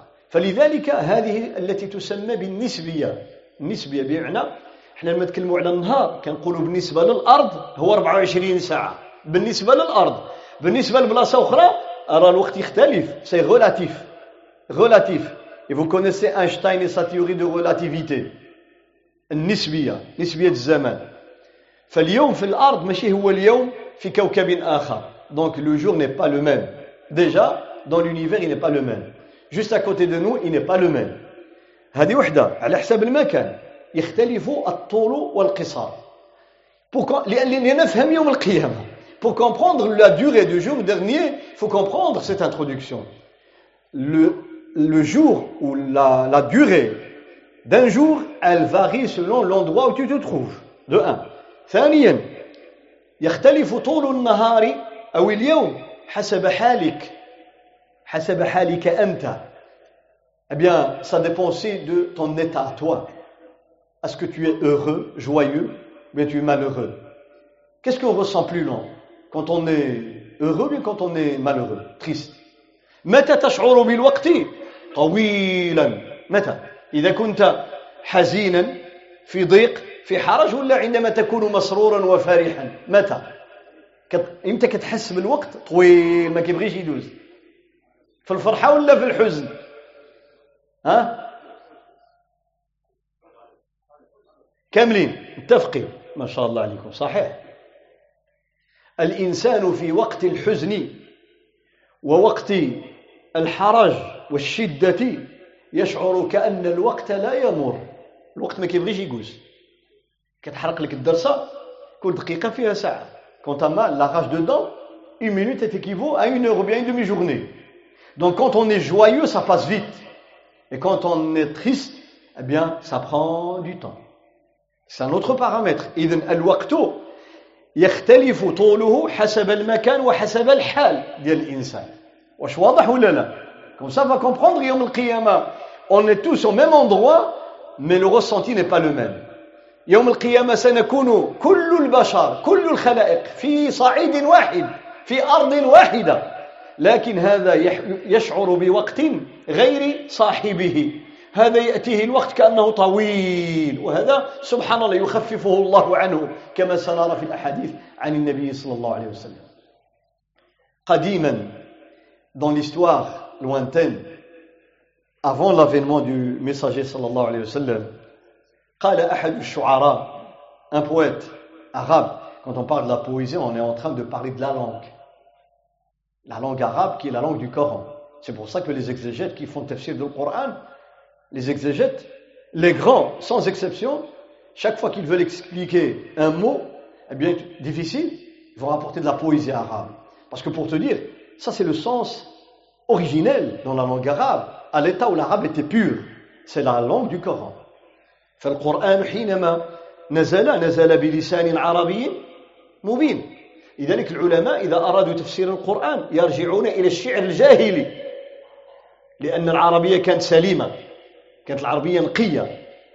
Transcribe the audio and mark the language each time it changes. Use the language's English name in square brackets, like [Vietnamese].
[Arabic] فلذلك هذه التي تسمى بالنسبية. النسبية بمعنى احنا لما نتكلموا على النهار كنقولوا بالنسبة للأرض هو 24 ساعة بالنسبة للأرض. بالنسبة لبلاصة أخرى أرى الوقت يختلف. [French] سي غولاتيف, غولاتيف. Et vous connaissez Einstein et sa théorie de relativité. [Arabic] النسبية, نسبية الزمان. فاليوم في الأرض ماشي هو اليوم في كوكب آخر. [French] Donc le jour n'est pas le même. Déjà dans l'univers il n'est pas le même. Juste à côté de nous il n'est pas le même. [Arabic] هذه وحدة على حساب المكان. يختلف الطول والقصار. لنفهم يوم القيامة. [French] Pour comprendre la durée du jour dernier, il faut comprendre cette introduction. Le jour ou la durée d'un jour, elle varie selon l'endroit où tu te trouves. De un. [Arabic] Thaniyan, يختلف طول النهار أو اليوم حسب حالك. حسب حالك أنت. [French] Eh bien, ça dépend aussi de ton état à toi. Est-ce que tu es heureux, joyeux, ou bien tu es malheureux? Qu'est-ce qu'on ressent plus long? Quand on est heureux ou quand on est malheureux, triste? [Arabic] متى تشعر بالوقت طويلا؟ متى؟ إذا كنت حزينا في ضيق في حرج ولا عندما تكون مسرورا وفرحا؟ متى؟ إمتى كتحس بالوقت طويل ما كيبغيش يدوز؟ في الفرحة ولا في الحزن؟ ها؟ كاملين متفقين ما شاء الله عليكم صحيح. الإنسان في وقت الحزن ووقت الحرج والشدة يشعر كأن الوقت لا يمر. الوقت ما كيبغيش يجوز. كتحرق لك الدرسة كل دقيقة فيها ساعة. [French] Quand on a la rage dedans, une minute est équivaut à une heure ou bien une demi-journée. Donc quand on est joyeux, ça passe vite. Et quand on est triste, eh bien, ça prend du temps. C'est un autre paramètre. [Arabic] إذن الوقت يختلف طوله حسب المكان وحسب الحال ديال الإنسان. واش واضح ولا لا؟ [French] Comme ça, on va comprendre [Arabic] يوم القيامة. [French] On est tous au même endroit, mais le ressenti n'est pas le même. [Arabic] يوم القيامة سنكون كل البشر كل الخلائق في صعيد واحد في أرض واحدة. لكن هذا يشعر بوقت غير صاحبه. هذا يأتيه الوقت كأنه طويل، وهذا سبحان الله يخففه الله عنه كما سنرى في الأحاديث عن النبي صلى الله عليه وسلم. قديما [French] dans l'histoire lointaine avant l'avènement du messager [Arabic] صلى الله عليه وسلم قال أحد الشعراء [French] un poète arabe. Quand on parle de la poésie, on est en train de parler de la langue. La langue arabe qui est la langue du Coran. C'est pour ça que les exégètes qui font le tafsir du Coran, les exégètes, les grands, sans exception, chaque fois qu'ils veulent expliquer un mot, eh bien, difficile, ils vont rapporter de la poésie arabe. Parce que pour te dire, ça c'est le sens originel dans la langue arabe, à l'état où l'arabe était pur. C'est la langue du Coran. Fait le Coran, [Arabic] حينما نزل, نزل بلسان عربي مبين. لذلك العلماء إذا أرادوا تفسير القرآن يرجعون إلى الشعر الجاهلي، لأن العربية كانت سليمة، كانت العربية نقية.